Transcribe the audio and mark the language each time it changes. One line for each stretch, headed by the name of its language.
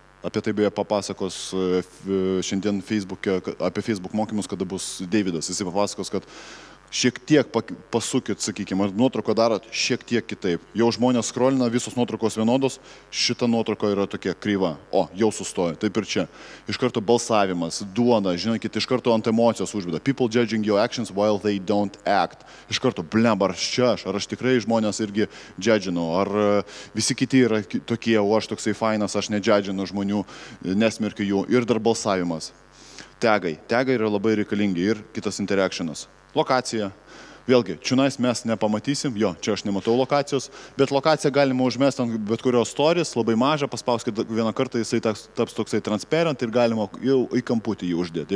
Lithuanian: Apie tai beje papasakos šiandien Facebook'e, apie Facebook mokymus, kada bus Davidas. Jis papasakos, kad šiek tiek pasukit, sakykime, nuotrauką darot šiek tiek kitaip. Jau žmonės skrolina, visos nuotraukos vienodos, šita nuotrauka yra tokia kryva. O, jau sustojo, taip ir čia. Iš karto balsavimas, duona, žinokit, iš karto ant emocijos užbėda.
English: People judging your actions while they don't act.
Lithuanian: Iš karto, blemba, ar čia aš, ar aš tikrai žmonės irgi džedžinu, ar visi kiti yra tokie, o aš toksai fainas, aš nedžedžinu žmonių, nesmirkiu jų. Ir dar balsavimas. Tegai. Tegai yra labai reikalingi ir kitas interactionas. Lokacija. Vėlgi, čionais mes nepamatysim, jo, čia aš nematau lokacijos, bet lokaciją galima užmesti ant bet kurios storis, labai mažą, paspauskit vieną kartą, jisai taps toksai transparent ir galima jau į kamputį jį uždėti.